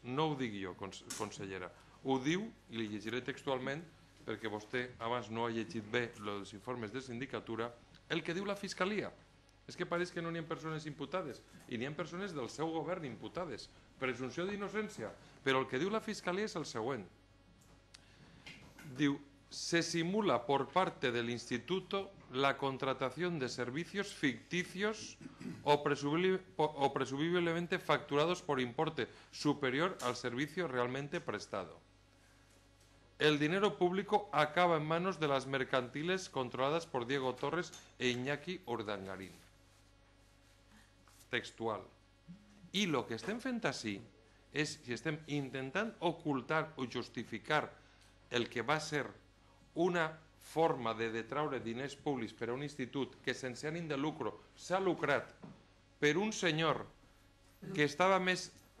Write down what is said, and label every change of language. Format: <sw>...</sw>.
<ca>No ho dic jo, consellera. Ho diu, i li llegiré textualment, perquè vostè abans no ha llegit bé els informes de sindicatura, el que diu la Fiscalia. És que pareix que no n'hi ha persones imputades, i n'hi ha persones del seu govern imputades. Presumpció d'innocència. Però el que diu la Fiscalia és el següent.</ca> <es>Diu, se simula por parte del instituto la contratación de servicios ficticios o presumiblemente facturados por importe superior al servicio realmente prestado. El dinero público acaba en manos de las mercantiles controladas por Diego Torres e Iñaki Urdangarín.</es> <ca>Textual. I lo que estem fent així és si estem intentant ocultar o justificar el que va ser una forma de detraure diners públics per a un institut que sense ànim de lucro s'ha lucrat per un senyor que estava més...</ca>